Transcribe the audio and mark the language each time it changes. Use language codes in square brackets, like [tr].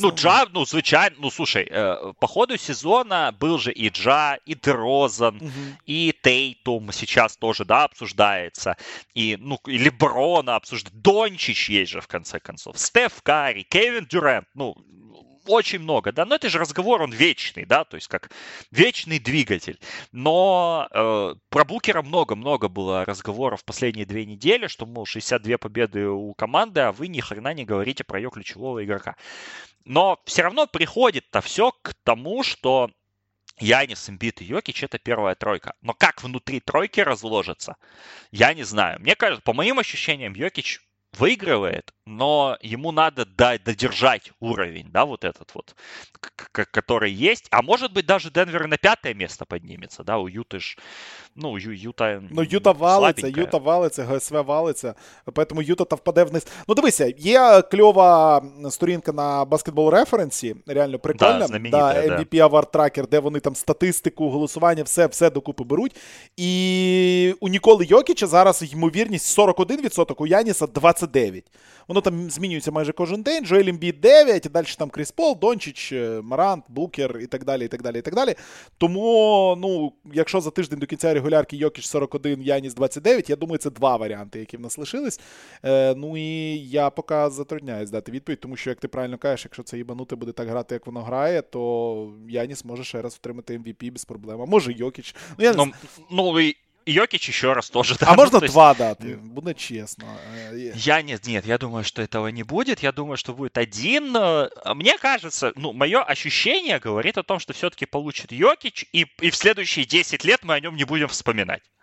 [uk] Ну, Джа, ну, звичайно, ну, слушай, [ru] по ходу сезона [uk] був же і Джа, і Дерозан, угу, і Тейтум зараз теж, да, обсуждається, і, ну, і Леброна обсуждається, Дончич є же, [ru] в конце концов, [uk] Стеф Карі, Кевін Дюр, ну, [ru] очень много, да, но это же разговор, он вечный, да, то есть как вечный двигатель. Но про Букера много-много было разговоров последние две недели, что, мол, 62 победы у команды, а вы ни хрена не говорите про ее ключевого игрока. Но все равно приходит-то все к тому, что Янис, Эмбит и Йокич — это первая тройка. Но как внутри тройки разложится, я не знаю. Мне кажется, по моим ощущениям, Йокич выигрывает, но ему надо додержать уровень, да, вот этот вот, который есть. А может быть, даже Денвер на пятое место поднимется, да, у Юты ж, ну, Юта слабенькая. Ну, Юта валится, Юта валится, ГСВ валится, поэтому Юта-то впаде вниз. [uk] Ну, дивися, є кльова сторінка на Basketball Reference, реально прикольна. [ru] Да, знаменитая, да. [uk] MVP Award Tracker, де вони там статистику, голосування, все докупи беруть. І у Ніколи Йокіча зараз ймовірність 41%, у Яніса 29%. Воно там змінюється майже кожен день. Джоель Ембіід 9, далі там Кріс Пол, Дончич, Марант, Букер і так далі, і так далі, і так далі. Тому, ну, якщо за тиждень до кінця регулярки Йокіч 41, Яніс 29, я думаю, це два варіанти, які в нас лишились. Ну і я поки затрудняюсь дати відповідь, тому що, як ти правильно кажеш, якщо це їбанути буде так грати, як воно грає, то Яніс може ще раз отримати MVP без проблем. А може Йокіч. [ru] Ну, я не знаю. Йокіч еще раз тоже, да. А можно то два есть дати? [uk] Буде честно. [ru] Я нет, я думаю, что этого не будет. Я думаю, что будет один. Мне кажется, ну, мое ощущение говорит о том, что все-таки получит Йокіч, и в следующие 10 лет мы о нем не будем вспоминать.